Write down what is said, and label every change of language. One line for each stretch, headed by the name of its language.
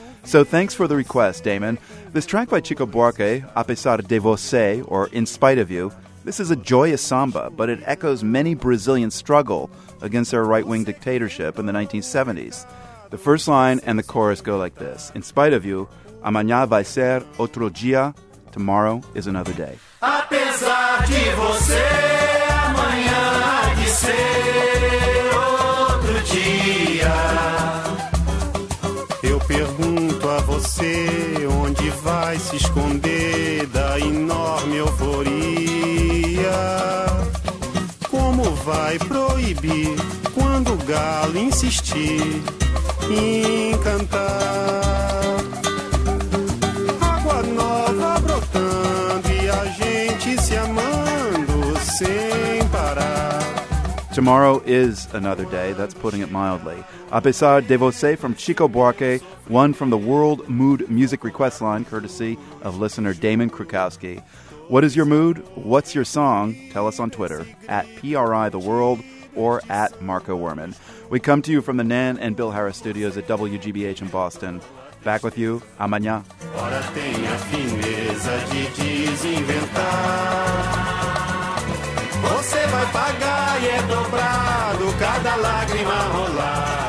English: So thanks for the request, Damon. This track by Chico Buarque, A Pesar de Você, or In Spite of You, this is a joyous samba, but it echoes many Brazilians' struggle against their right-wing dictatorship in the 1970s. The first line and the chorus go like this. In spite of you,
Portuguese: amanhã vai ser outro dia,
English: tomorrow is another day.
Portuguese: Apesar de você, amanhã vai ser outro dia. Eu pergunto a você, onde vai se esconder da enorme euforia? Como vai proibir, quando o galo insistir em cantar? Água nova brotando e a gente se amando sem parar.
English: Tomorrow is another day, that's putting it mildly. A Pesar de Você from Chico Buarque, one from the World Mood Music Request Line, courtesy of listener Damon Krukowski. What is your mood? What's your song? Tell us on Twitter, at PRI The World or at Marco Werman. We come to you from the Nan and Bill Harris studios at WGBH in Boston. Back with you,
Portuguese: amanhã. Ora tem a fineza de desinventar. Você vai pagar e é dobrado cada lágrima rolada.